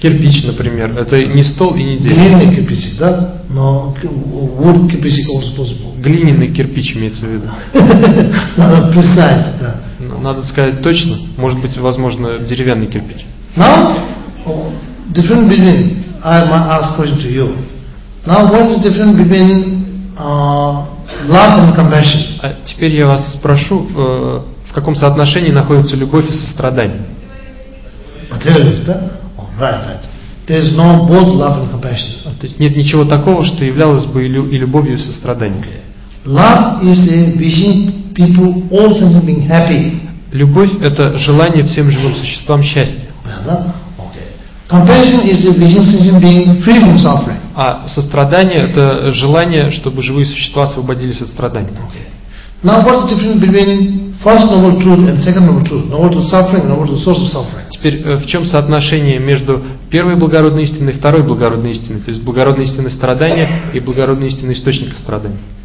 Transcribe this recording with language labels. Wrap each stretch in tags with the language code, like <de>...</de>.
<ru>Кирпич, например. Это не стол и не дерево. Глиняные кирпичи, да? Но wood кирпичи</ru> <en>also possible.</en> <ru>Глиняный кирпич имеется в виду. Надо писать, да. Надо сказать точно. Может быть, возможно, деревянный кирпич.</ru> <en>Now, different between. I might ask question to you. Now, what is different between love and compassion?</en> <ru>Теперь я вас спрошу, в каком соотношении находится любовь и сострадание?</ru> <en>Materialist, да? Oh, right, right. There is no both love and compassion.</en> <ru>То есть нет ничего такого, что являлось бы и любовью, и состраданием.</ru> <en>Okay. Love is a wishing people all things being happy.</en> <ru>Любовь — это желание всем живым существам счастья.</ru> <en>Okay. Compassion is a wishing system being free from suffering.</en> <ru>А сострадание — это желание, чтобы живые существа освободились от страданий.</ru> <en>Okay. Now what's the difference between first noble truth and second noble truth? Noble truth suffering, noble truth source of suffering.</en> <ru>Теперь в чем соотношение между первой благородной истиной и второй благородной истиной, то есть благородной истиной страдания и благородной истиной источника страданий?</ru>